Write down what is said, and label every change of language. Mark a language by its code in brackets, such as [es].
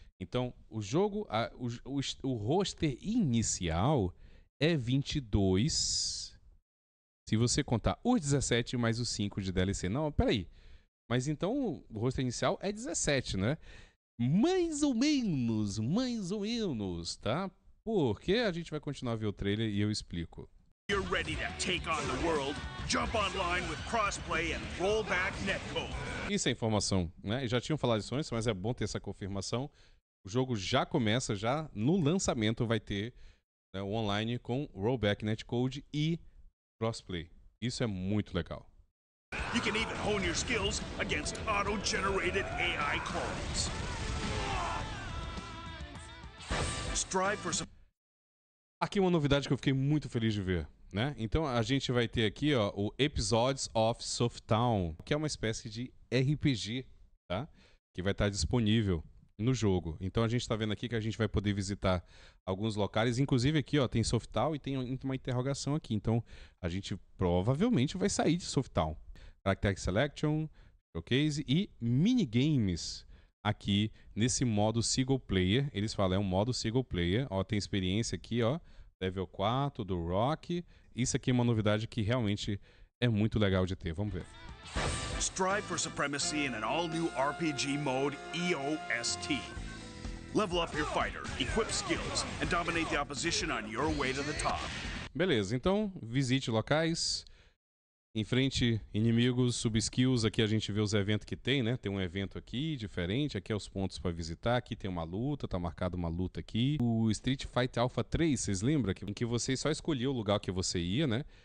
[pt] Então, o jogo, o roster inicial é 22. Se você contar os 17 mais os 5 de DLC. Não, peraí. Mas então o roster inicial é 17, né? Mais ou menos, tá? Porque a gente vai continuar a ver o trailer e eu explico. [en] You're ready to take on the world. Jump online with crossplay and roll back netcode. [pt] Isso é informação, né? Já tinham falado isso antes, mas é bom ter essa confirmação. O jogo já começa, já no lançamento vai ter o online com rollback netcode e crossplay. Isso é muito legal. [en] You can even hone your skills against auto-generated AI clones. Strive for some... [pt] Aqui uma novidade que eu fiquei muito feliz de ver, né? Então a gente vai ter aqui, ó, o Episodes of Softown, que é uma espécie de RPG, tá? Que vai estar disponível no jogo. Então a gente tá vendo aqui que a gente vai poder visitar alguns locais. Inclusive aqui, ó, tem Softown e tem uma interrogação aqui. Então a gente provavelmente vai sair de Softown. Character Selection, Showcase e Minigames aqui nesse modo Single Player. Eles falam, é um modo Single Player. Ó, tem experiência aqui, ó. Level 4 do Rock. Isso aqui é uma novidade que realmente é muito legal de ter. Vamos ver. [en] Strive for supremacy in an all-new RPG mode EOST. Level up your fighter, equip skills, and dominate the opposition on your way to the top. [pt] Beleza, então visite locais, enfrente inimigos, sub-skills. Aqui a gente vê os eventos que tem, né? Tem um evento aqui diferente, aqui é os pontos para visitar, aqui tem uma luta, tá marcado uma luta aqui. O Street Fighter Alpha 3, vocês lembram? Em que você só escolhia o lugar que você ia, né?